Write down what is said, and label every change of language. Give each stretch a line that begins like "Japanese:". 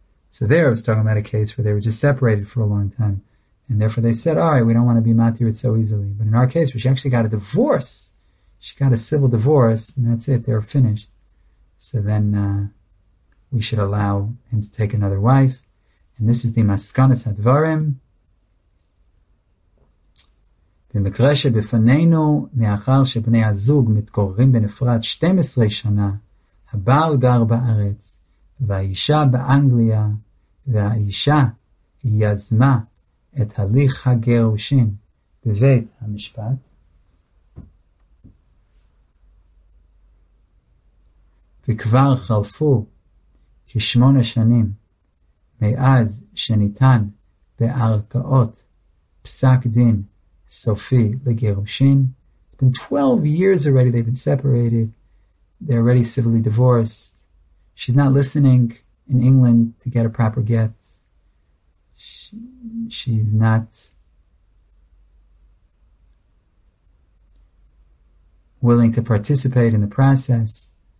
English: So there I was talking about a case where they were just separated for a long time. And therefore they said, all right, we don't want to be matir it so easily. But in our case, where she actually got a divorce, she got a civil divorce, and that's it, they're finished. So then we should allow him to take another wife. And this is the
Hebrew: maskanas hadvarim. במקרה שבפנינו, מאחר שבני הזוג מתגוררים בנפרד 12 שנה, הבעל גר בארץ, והאישה באנגליה, והאישה יזמה את הליך הגירושין בבית המשפט, וכבר חלפו כ8 שנים מאז שניתן בערכאות פסק דין Sophie Legeroshin.
English: It's been 12 years already they've been separated. They're already civilly divorced. She's not listening in England to get a proper get. She's not willing to participate in the process.